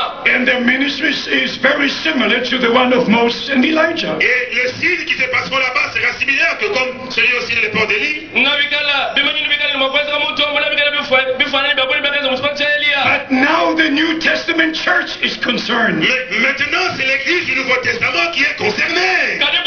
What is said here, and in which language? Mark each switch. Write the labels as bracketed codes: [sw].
[en] And their ministry is very similar to the one of Moses and Elijah. [fr] Et le signe qui se passera là-bas sera similaire que comme celui aussi de l'époque d'Élie. [en] But now the New Testament church is concerned. [fr] Maintenant, c'est l'église du Nouveau Testament qui est concernée.